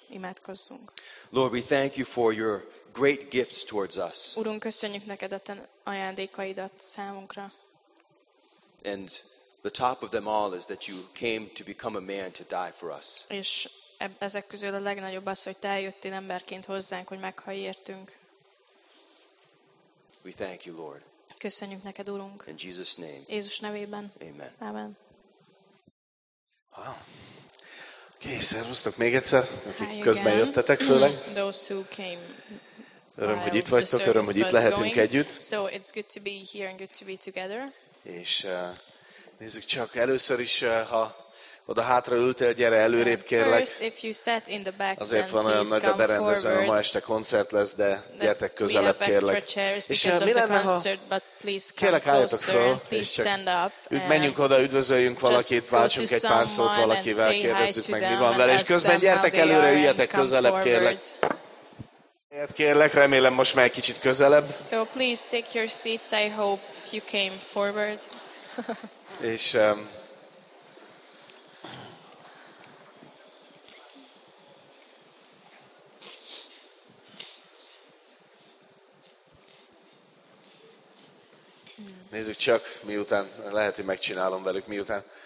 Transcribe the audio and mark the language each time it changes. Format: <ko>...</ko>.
<hu>Imádkozzunk.</hu> <en>Lord, we thank you for your great gifts towards us.</en> <hu>Urunk, köszönjük neked a te ajándékaidat számunkra.</hu> <en>And the top of them all is that you came to become a man to die for us.</en> <hu>És ezek közül a legnagyobb az, hogy te eljöttél emberként hozzánk, hogy meghalj értünk.</hu> <en>We thank you, Lord.</en> <hu>Köszönjük neked, Urunk.</hu> <en>In Jesus name.</en> <hu>Jézus nevében.</hu> <en>Amen.</en> <hu>Amen. Wow. Okay, szervusztok még egyszer, akik közben jöttetek főleg.</hu> <en>Those who came.</en> <hu>Öröm, hogy itt vagytok, öröm, hogy itt lehetünk együtt.</hu> <en>So it's good to be here and good to be together.</en> <hu>És nézzük csak, először is, ha oda hátra ültél, gyere előrébb, kérlek. Azért van olyan nagy a berendező, ma este koncert lesz, de gyertek közelebb, kérlek. És mi lenne, ha kérlek, álljatok föl, és csak menjünk oda, üdvözöljünk valakit, váltsunk egy pár szót valakivel, kérdezzük meg, mi van vele, és közben gyertek előre, üljetek közelebb, kérlek. Kérlek, remélem most már egy kicsit közelebb.</hu> <en>So please take your seats, I hope you came forward.</en> <hu>És nézzük csak, miután lehet, hogy megcsinálom velük, miután.</hu>